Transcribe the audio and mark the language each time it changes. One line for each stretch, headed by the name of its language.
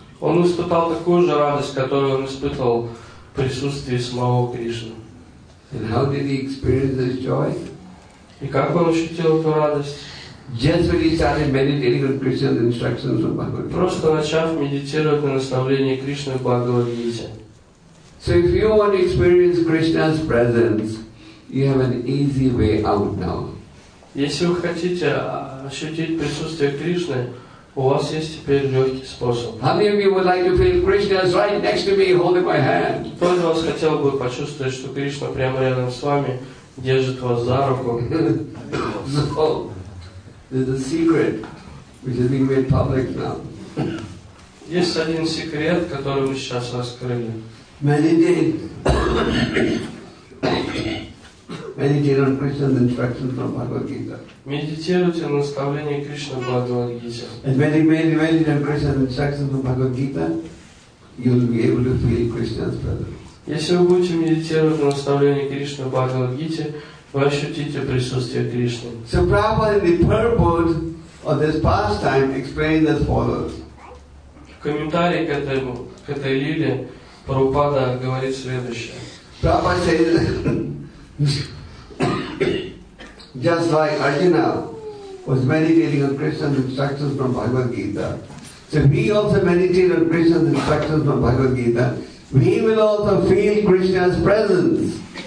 Russian: Он испытал такую же радость, которую он испытывал в присутствии самого Кришны.
English: And how did he experience this joy?
Russian: И как он ощутил эту радость?
English: Just when he started meditating on Krishna's instructions from Bhagavad Gita.
Russian: Просто начав медитировать на наставление Кришны в Бхагавад Гите.
English: So if you want to experience Krishna's presence, you have an easy way out now.
Russian: Если вы хотите ощутить присутствие Кришны, у вас есть теперь легкий способ.
English: How many of you would like to feel Krishna is right next to me, holding my hand?
Russian: Кто из вас хотел бы почувствовать, что Кришна прямо рядом с вами держит вас за руку?
English: So, there's a secret which is being made public now.
Russian: Есть один секрет, который мы сейчас раскрыли.
English: Meditate on Krishna's instructions from Bhagavad Gita.
Russian: Медитируйте на наставление Кришны Бхагавад Гите.
English: And when you meditate on Krishna's instructions from Bhagavad Gita, you'll be able to feel Krishna's presence.
Russian: Если вы будете медитировать на наставление Кришны Бхагавад Гите, вы ощутите присутствие Кришны.
English: So Prabhupada, in the purport of this pastime, explained as follows.
Russian: В комментарии к этой лиле Прабхупада говорит следующее.
English: Prabhupada says, just like Arjuna was meditating on Krishna's instructions from Bhagavad Gita, so we also meditate on Krishna's instructions from Bhagavad Gita, we will also feel Krishna's presence.